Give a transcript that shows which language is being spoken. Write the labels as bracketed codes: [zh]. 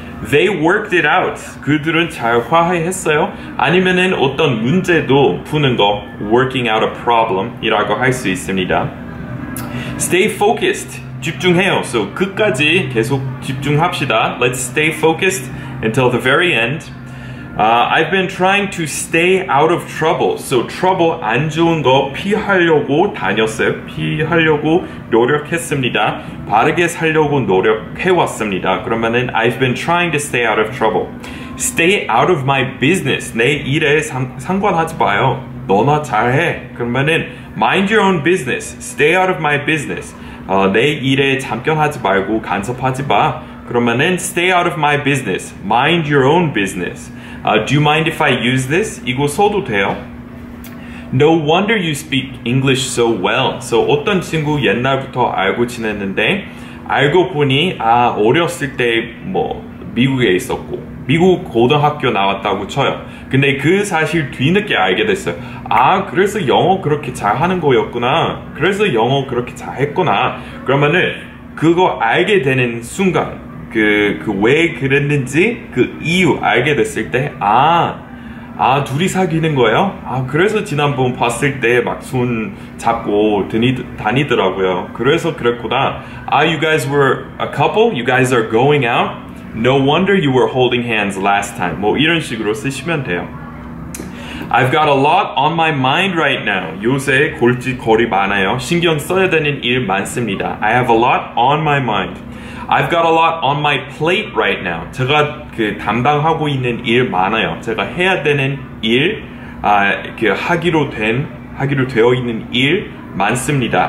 [en] They worked it out. [ko] 그들은 잘 화해했어요. 아니면은 어떤 문제도 푸는 거 [en] working out a problem [ko] 이라고 할 수 있습니다. [en] Stay focused. [ko] 집중해요. So 끝까지 계속 집중합시다. [en] Let's stay focused until the very end. I've been trying to stay out of trouble. [ko] So trouble 안 좋은 거 피하려고 다녔어요. 피하려고 노력했습니다. 바르게 살려고 노력해왔습니다. [en] 그러면은 I've been trying to stay out of trouble. Stay out of my business. [ko] 내 일에 상관하지 마요. 너나 잘해. [en] 그러면은 mind your own business. Stay out of my business. [ko] 내 일에 참견하지 말고 간섭하지 마. [en] 그러면은 stay out of my business. Mind your own business. Do you mind if I use this? [ko] 이거 써도 돼요. [en] No wonder you speak English so well. [ko] So 어떤 친구 옛날부터 알고 지냈는데 알고 보니 아 어렸을 때 뭐 미국에 있었고 미국 고등학교 나왔다고 쳐요. 근데 그 사실 뒤늦게 알게 됐어요. 아 그래서 영어 그렇게 잘하는 거였구나. 그래서 영어 그렇게 잘했구나. 그러면은 그거 알게 되는 순간 그 왜 그랬는지 그 이유 알게 됐을 때 아, 둘이 사귀는 거예요? 아, 그래서 지난번 봤을 때 막 손 잡고 다니더라고요. 그래서 그랬구나. [en] 아, you guys were a couple? You guys are going out? No wonder you were holding hands last time. [ko] 뭐 이런 식으로 쓰시면 돼요. [en] I've got a lot on my mind right now. [ko] 요새 골칫거리 많아요. 신경 써야 되는 일 많습니다. [en] I have a lot on my mind. I've got a lot on my plate right now. [ko] 제가 그 담당하고 있는 일 많아요. 제가 해야 되는 일, 하기로 되어 있는 일 많습니다.